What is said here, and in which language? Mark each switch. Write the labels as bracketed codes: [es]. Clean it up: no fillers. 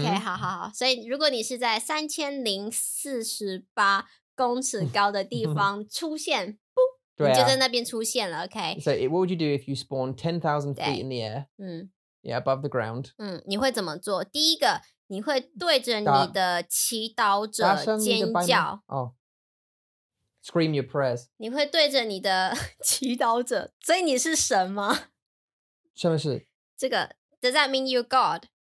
[zh] OK, 好,所以如果你是在3,048公尺高的地方出现, 你就在那边出现了, OK. [en] So what would you do if you spawn 10,000 feet in the air? Yeah, above the ground. [zh] 你会怎么做? 第一个, 你会对着你的祈祷者尖叫。 [en] Oh. Scream your prayers. [zh] 你会对着你的祈祷者, 所以你是神吗? 什么是? 这个, [en] does that mean you're God?